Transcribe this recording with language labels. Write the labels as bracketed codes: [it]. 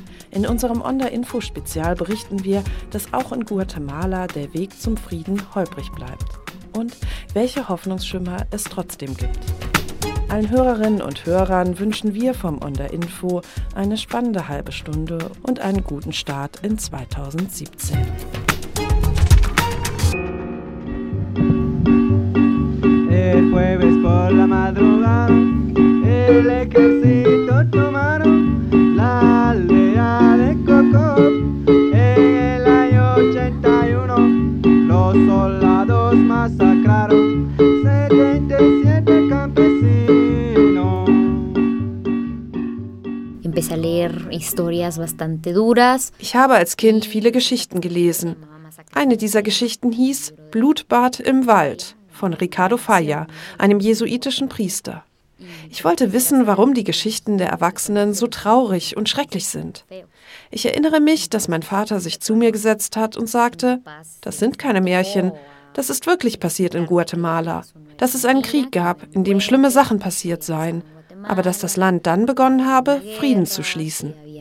[de] In unserem Onda-Info-Spezial berichten wir, dass auch in Guatemala der Weg zum Frieden holprig bleibt und welche Hoffnungsschimmer es trotzdem gibt. Allen Hörerinnen und Hörern wünschen wir vom Onda-Info eine spannende halbe Stunde und einen guten Start in 2017. [es] El jueves por la madrugada, el ejército tomaron la aldea de Coco. En el año 81, los soldados masacraron 77 campesinos. Empecé a leer historias bastante duras. [de] Ich habe als Kind viele Geschichten gelesen. Eine dieser Geschichten hieß Blutbad im Wald von Ricardo Falla, einem jesuitischen Priester. Ich wollte wissen, warum die Geschichten der Erwachsenen so traurig und schrecklich sind. Ich erinnere mich, dass mein Vater sich zu mir gesetzt hat und sagte, das sind keine Märchen, das ist wirklich passiert in Guatemala, dass es einen Krieg gab, in dem schlimme Sachen passiert seien, aber dass das Land dann begonnen habe, Frieden zu schließen.